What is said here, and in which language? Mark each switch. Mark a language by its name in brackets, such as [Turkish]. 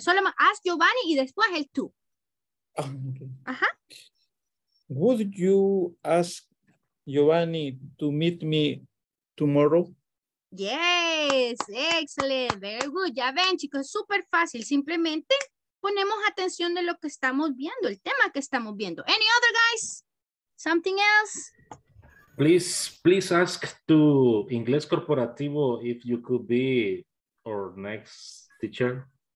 [Spanish] Solo más, ask Giovanni y después el tú. [English] Oh, okay. Ajá. Would you ask Giovanni to meet me tomorrow? Yes. Excellent. Very good. [Spanish] Ya ven, chicos, súper fácil. Simplemente ponemos atención de lo que estamos viendo, el tema que estamos viendo. [English] Any other guys? Something else? Please ask to Inglés Corporativo if you could be our next teacher.